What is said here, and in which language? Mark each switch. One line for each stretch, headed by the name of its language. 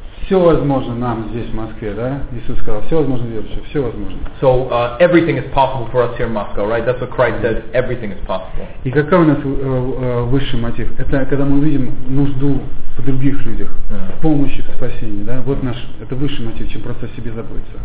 Russian: Все возможно нам здесь, в Москве, да? Иисус сказал, все возможно верующим, все возможно.
English: So, everything is possible for us here in Moscow, right? That's what Christ said, everything is possible.
Russian: И какой у нас высший мотив? Это когда мы видим нужду в других людях, в помощи, в спасении, да? Вот наш, это высший мотив, чем просто о себе заботиться.